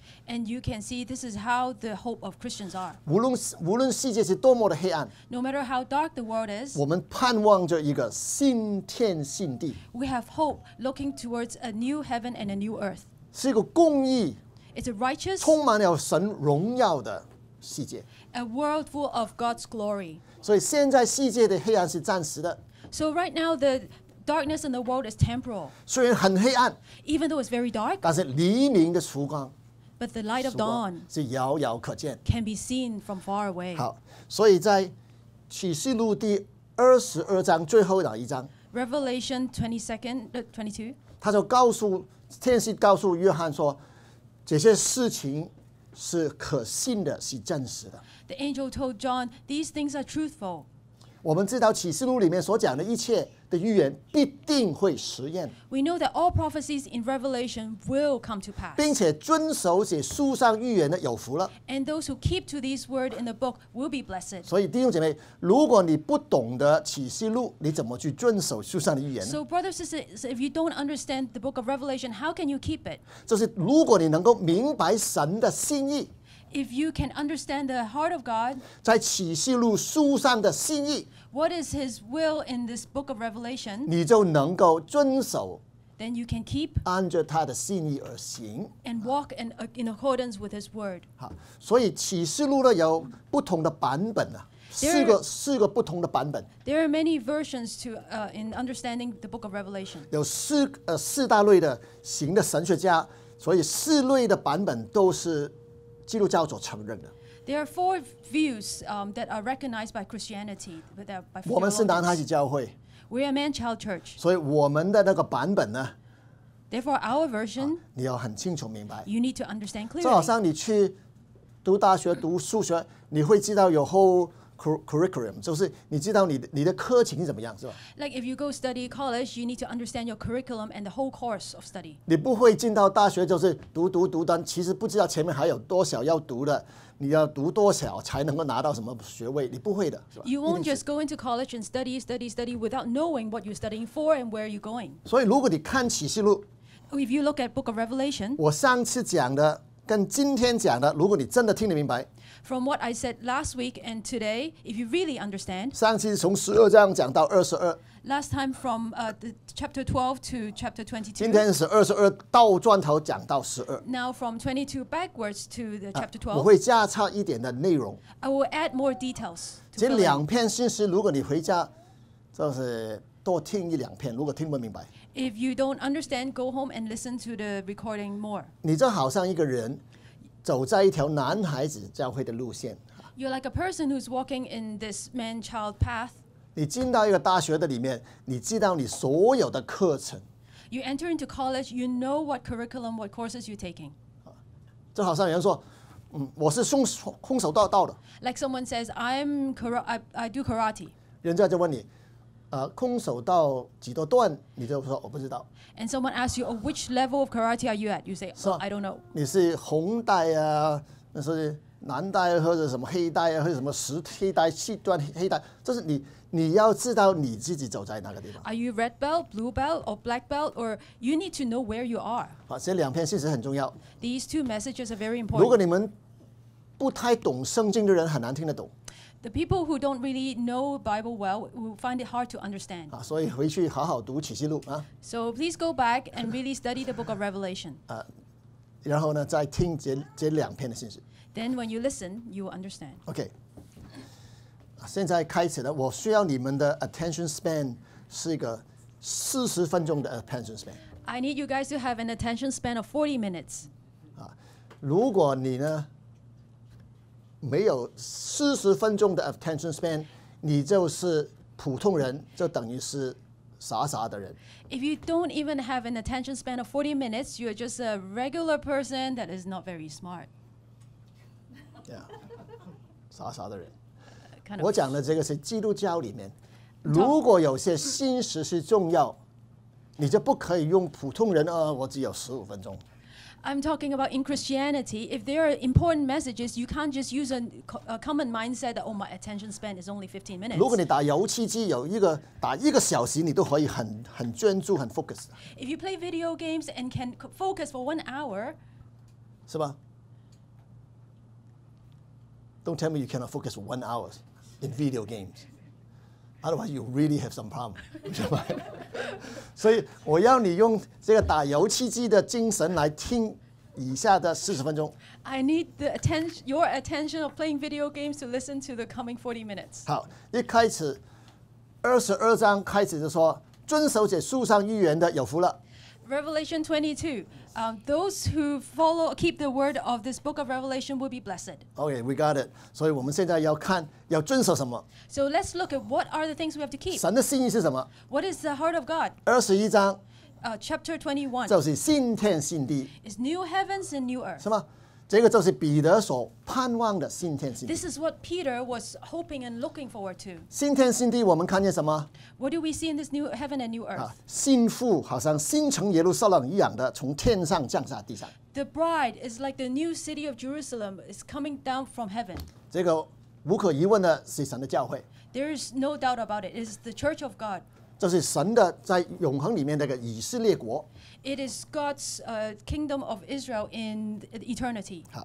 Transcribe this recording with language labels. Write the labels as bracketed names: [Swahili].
[English] And you can see this is how the hope of Christians are. [Chinese] 无论世界是多么的黑暗, [English] no matter how dark the world is, [Chinese] 我们盼望着一个新天新地, [English] we have hope looking towards a new heaven and a new earth. [Chinese] 是一个公义, [English] it's a righteous, [Chinese] 充满了神荣耀的世界。 [English] A world full of God's glory. [Chinese] 所以现在世界的黑暗是暂时的。 [English] So right now the darkness in the world is temporal. [Chinese] 虽然很黑暗。 [English] Even though it's very dark. [Chinese] 但是黎明的曙光。 [English] But the light of dawn. [Chinese] 是遥遥可见。 [English] Can be seen from far away. [Chinese] 好，所以在启示录第二十二章最后哪一章。 [English] Revelation 22. [Chinese] 他就告诉天使告诉约翰说，这些事情。是可信的，是真实的。 [English] The angel told John, "These things are truthful." [Chinese] 我们知道启示录里面所讲的一切的预言必定会实现。 [English] We know that all prophecies in Revelation will come to pass. [Chinese] 并且遵守写书上预言的有福了。 [English] And those who keep to these words in the book will be blessed. [Chinese] 所以弟兄姐妹，如果你不懂得启示录，你怎么去遵守书上的预言呢 [English] ？So brothers and sisters, if you don't understand the book of Revelation, how can you keep it? [Chinese] 就是如果你能够明白神的心意。 [English] If you can understand the heart of God, [Chinese] 在启示录书上的心意 [English] what is His will in this book of Revelation? [Chinese] 你就能够遵守 [English] then you can keep [Chinese] 按着他的心意而行 [English] and walk in accordance with His word. [Chinese] 好，所以启示录呢有不同的版本啊。四个不同的版本。 [English] There are many versions to in understanding the book of Revelation. [Chinese] 有四大类的行的神学家，所以四类的版本都是。基督教所承认的。 [English] There are four views that are recognized by Christianity. [Chinese] 我们是男孩子教会。 [English] We are man-child church. [Chinese] 所以我们的那个版本呢 [English] ？Therefore, our version. [Chinese] 你要很清楚明白。 [English] You need to understand clearly. [Chinese] 就好像你去读大学读数学，你会知道有 [English] whole curriculum， [Chinese] 就是你知道你的课程是怎么样，是吧 [English] ？Like if you go study college, you need to understand your curriculum and the whole course of study. [Chinese] 你不会进到大学就是读单，其实不知道前面还有多少要读的，你要读多少才能够拿到什么学位，你不会的，是吧 [English] ？You won't just go into college and study without knowing what you're studying for and where you're going. [Chinese] 所以如果你看启示录 [English] If you look at Book of Revelation, [Chinese] 我上次讲的跟今天讲的，如果你真的听得明白。 [English] From what I said last week and today, if you really understand, [Chinese] 上次从十二章讲到二十二。 [English] Last time from the chapter 12 to chapter 22. [Chinese] 今天是二十二倒转头讲到十二。 [English] Now from 22 backwards to the chapter 12. [Chinese] 我会加插一点的内容。 [English] I will add more details. [Chinese] 这两篇信息，如果你回家，就是多听一两篇，如果听不明白。 [English] If you don't understand, go home and listen to the recording more. [Chinese] 你就好像一个人。走在一条男孩子教会的路线。 [English] You're like a person who's walking in this man-child path. [Chinese] 你进到一个大学的里面，你知道你所有的课程。 [English] You enter into college, you know what curriculum, what courses you're taking. [Chinese] 就好像有人说，我是空手道的。 [English] Like someone says, I do karate. [Chinese] 人家就问你，空手道几多段？你就说我不知道。 [English] And someone asks you, "Oh, which level of karate are you at?" You say, "Oh, I don't know." [Chinese] 你是红带啊，那是蓝带或者什么黑带啊，或者什么石黑带、七段黑带，就是你要知道你自己走在哪个地方。 [English] Are you red belt, blue belt, or black belt, or you need to know where you are? [Chinese] 啊，这两篇信息很重要。 [English] These two messages are very important. [Chinese] 如果你们不太懂圣经的人，很难听得懂。 [English] The people who don't really know Bible well will find it hard to understand. [Chinese] 所以回去好好读启示录啊。 [English] So please go back and really study the book of Revelation. [Chinese] 然后呢，再听这两篇的信息。 [English] Then when you listen, you will understand. Okay. [Chinese] 现在开始了，我需要你们的 attention span 是一个四十分钟的 attention span. [English] I need you guys to have an attention span of 40 minutes. [Chinese] 如果你呢？没有四十分钟的 attention span， 你就是普通人，就等于是傻傻的人。 [English] If you don't even have an attention span of 40 minutes, you're just a regular person that is not very smart. [Chinese] Yeah, 傻傻的人。 [English] Kind of [Chinese] 我讲的这个是基督教里面，如果有些信息是重要，你就不可以用普通人啊，我只有十五分钟。 [English] I'm talking about in Christianity. If there are important messages, you can't just use a common mindset that, oh, my attention span is only 15 minutes. [Chinese] 如果你打游戏机，有一个打一个小时，你都可以很专注，很 focus. [English] If you play video games and can focus for 1 hour, [Chinese] 是吧？ [English] Don't tell me you cannot focus for 1 hour in video games. Otherwise, you really have some problem. [Chinese] 所以我要你用这个打油漆机的精神来听以下的四十分钟。 [English] I need your attention of playing video games to listen to the coming 40 minutes. [Chinese] 好，一开始二十二章开始就说，遵守这树上预言的有福了。 [English] Revelation 22, those who keep the word of this book of Revelation will be blessed. Okay, we got it. [Chinese] 所以我们现在要看。要遵守什么 [English] ？So let's look at what are the things we have to keep. [Chinese] 神的心意是什么 [English] ？What is the heart of God? [Chinese] 二十一章 [English] ，Chapter 21， [Chinese] 就是新天新地。 [English] It's new heavens and new earth. [Chinese] 是吗？这个就是彼得所盼望的新天新地。 [English] This is what Peter was hoping and looking forward to. [Chinese] 新天新地，我们看见什么 [English] ？What do we see in this new heaven and new earth? [Chinese] 新妇好像新城耶路撒冷一样的从天上降下地上。 [English] The bride is like the new city of Jerusalem is coming down from heaven. [Chinese] 这个。无可疑问的是神的教会。 [English] There is no doubt about it. It's the church of God. [Chinese] 这是神的在永恒里面那个以色列国。 It is God's kingdom of Israel in eternity.